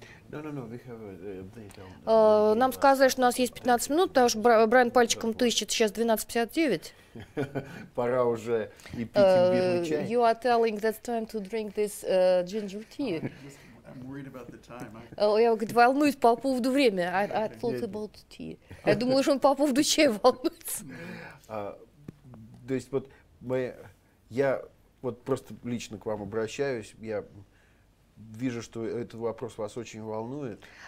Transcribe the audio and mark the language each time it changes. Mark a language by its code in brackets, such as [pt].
[ru] Нам сказали, что у нас есть 15 минут, потому что Брайан пальчиком тыщет, сейчас 12:59. Пора уже и пить имбирный чай. [en] You are telling that it's time to drink this ginger tea. I'm worried about the time. [ru] Я волнуюсь по поводу времени. [en] I thought about tea. [ru] Я думаю, что он по поводу чая волнуется. То есть вот я вот просто лично к вам обращаюсь. Я вижу, что этот вопрос вас очень волнует.